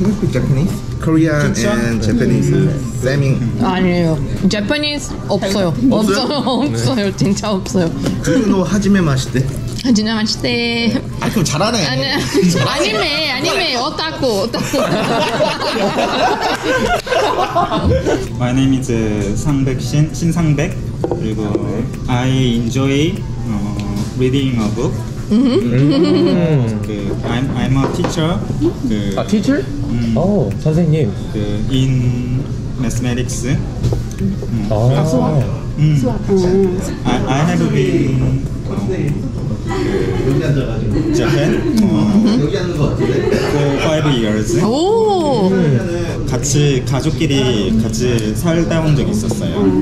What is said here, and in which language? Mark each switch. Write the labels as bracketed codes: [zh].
[en] Japanese, Korean, and Japanese. Slamming. [ko] 아니에요. Japanese 없어요. 없어요. 없어요. 진짜 없어요. 그리고 [ja] 하지메마시테. 하지메마시테. [ko] 아, 그럼 잘하네. 아니메, 아니메. 오타쿠, 오타쿠. [en] My name is 상백 신, 신상백. [ko] 그리고 [en] I enjoy reading a book. I'm a teacher. A teacher? Oh, 선생님. In mathematics. Oh. I have been Japan for 5 years. Oh. [ko] 같이 가족끼리 같이 살다 온 적이 있었어요.